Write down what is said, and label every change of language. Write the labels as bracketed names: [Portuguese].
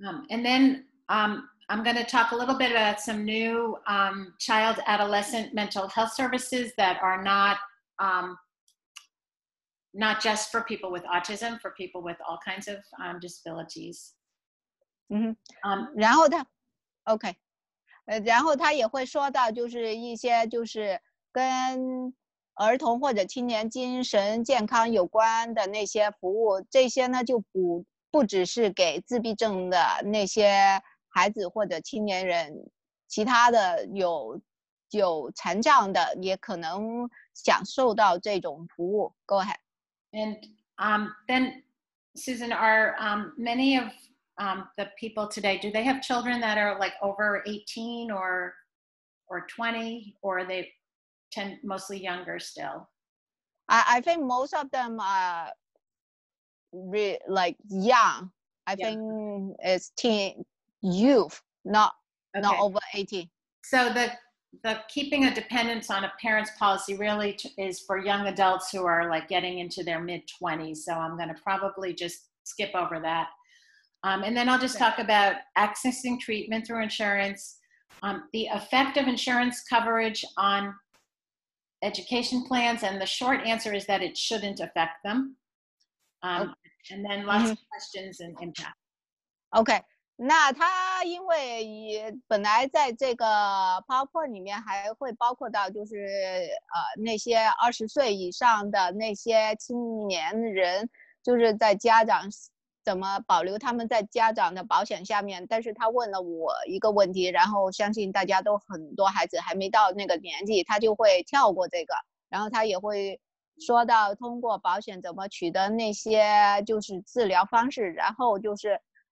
[English] And thenI'm going to talk a little bit about some new child adolescent mental health services that are not, not just for people with autism, for people with all kinds of disabilities. Mm-hmm. 然后他 okay. [Chinese] 然后他也会说到就是一些就是跟儿童或者青年精神健康有关的那些服务，这些呢就不只是给自闭症的那些孩子或者青年人，其他的有残障的也可能享受到这种服务。 [English] Go ahead. And then, Susan, are many of the people today, do they have children that are like over 18 or 20, or are they mostly younger still? I think most of them are like young. Think it's teenYouth, not over 18. So the keeping a dependence on a parent's policy really is for young adults who are like getting into their mid-20s. So I'm going to probably just skip over that. And then I'll just talk about accessing treatment through insurance, the effect of insurance coverage on education plans. And the short answer is that it shouldn't affect them. And then lots of questions and impact. Okay. [Chinese] 那他因为也本来在这个 PowerPoint 里面还会包括到就是那些20岁以上的那些青年人，就是在家长怎么保留他们在家长的保险下面，但是他问了我一个问题，然后相信大家都很多孩子还没到那个年纪，他就会跳过这个，然后他也会说到通过保险怎么取得那些就是治疗方式，然后就是